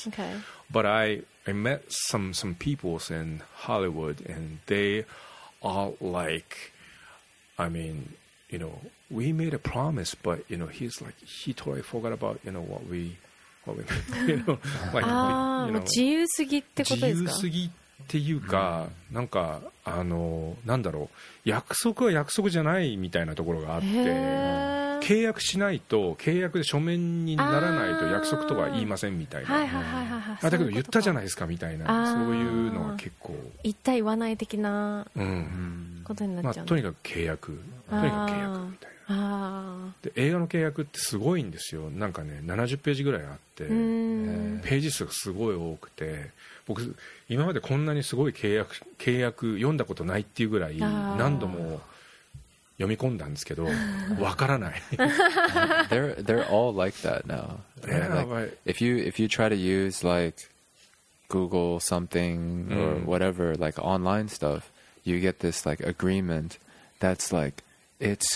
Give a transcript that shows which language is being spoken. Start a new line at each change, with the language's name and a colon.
English: Okay. But I met some people in Hollywood, and they are like, I mean, you know, we made a promise, but, you know, he's like, he totally forgot about, you know, what we, what we, you know, like, you know.
Japanese: 自由すぎってことですか？自由すぎっていうか、なんか、あの、なんだろう。約束は約束じゃないみたいなところがあって、契約しないと、契約で書面にならないと約束とは言いませんみたいな、あ、だけど言ったじゃないですかみたいな、そういうのが結構言った言わない的なことになっちゃう、まあ、とにかく契約、とにかく契約みたいな。で、映画の契約ってすごいんですよ。なんかね、70ページぐらいあって、ページ数がすごい多くて、僕今までこんなにすごい契約読んだことないっていうぐらい何度も読み込んだんですけど、わからない。
English: they're all like that now. Yeah, like, if you try to use like Google something or whatever, like online stuff, you get this like agreement that's like it's